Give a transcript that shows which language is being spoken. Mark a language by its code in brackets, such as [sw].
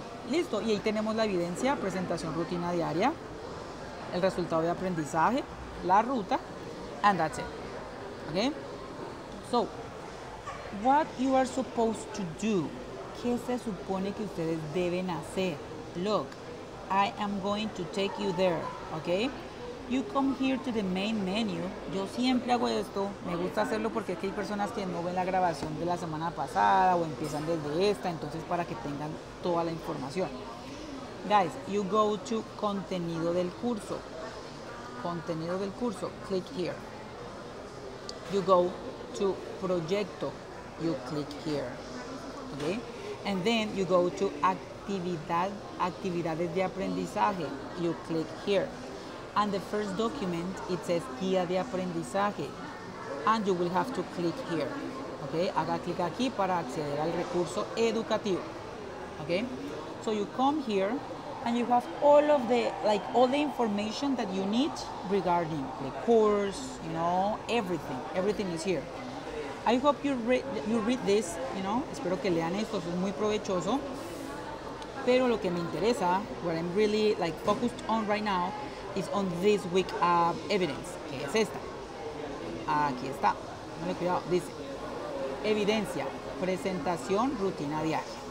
[es] Listo, y ahí tenemos la evidencia, presentación rutina diaria, el resultado de aprendizaje, la ruta, [en] and that's it, [es] okay? [en] So, what you are supposed to do? [es] ¿Qué se supone que ustedes deben hacer? [en] Look, I am going to take you there, okay? You come here to the main menu. [es] Yo siempre hago esto. Me gusta hacerlo porque aquí hay personas que no ven la grabación de la semana pasada o empiezan desde esta, entonces para que tengan toda la información. [en] Guys, you go to contenido del curso. Contenido del curso. Click here. You go to proyecto. You click here. Okay? And then you go to actividades de aprendizaje. You click here. And the first document, it says guía de aprendizaje. And you will have to click here. [es] Okay? Haga clic aquí para acceder al recurso educativo. Okay? [en] So you come here. And you have all of the, like, all the information that you need regarding the course, you know, everything. Everything is here. I hope you read this, you know. [es] Espero que lean esto, es muy provechoso. Pero lo que me interesa, [en] what I'm really, like, focused on right now, is on this week evidence, [es] que es esta. Aquí está. No le cuidado. Dice, evidencia, presentación, rutina diaria.